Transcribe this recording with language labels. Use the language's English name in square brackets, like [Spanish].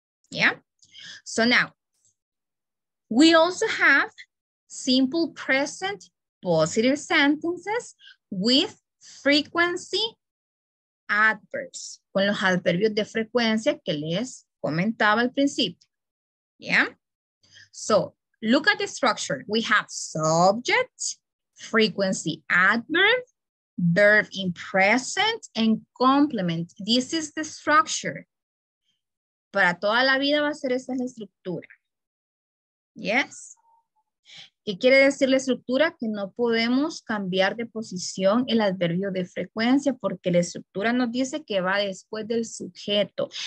[English] ¿Ya? Yeah? So now, we also have simple present positive sentences with frequency adverbs. [Spanish] Con los adverbios de frecuencia que les comentaba al principio. [English] ¿Ya? Yeah? So, look at the structure. We have subject, frequency adverb, verb in present, and complement. This is the structure. [Spanish] Para toda la vida va a ser esa la estructura. Yes. ¿Qué quiere decir la estructura? Que no podemos cambiar de posición el adverbio de frecuencia porque la estructura nos dice que va después del sujeto.